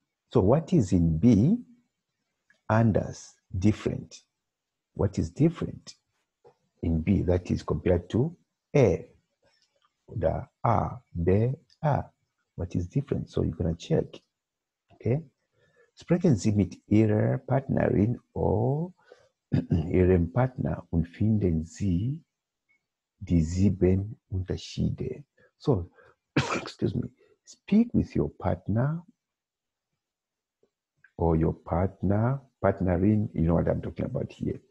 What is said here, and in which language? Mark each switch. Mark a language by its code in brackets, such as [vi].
[en] So what is in B, Anders, different. What is different in B, that is compared to A, the A, B, A. What is different? So you're going to check, okay? [de] Sprechen Sie mit Ihrer Partnerin [en] or [de] Ihrem Partner und finden Sie die sieben Unterschiede. [en] So, excuse me, speak with your partner or your partner, partnerin, you know what I'm talking about here.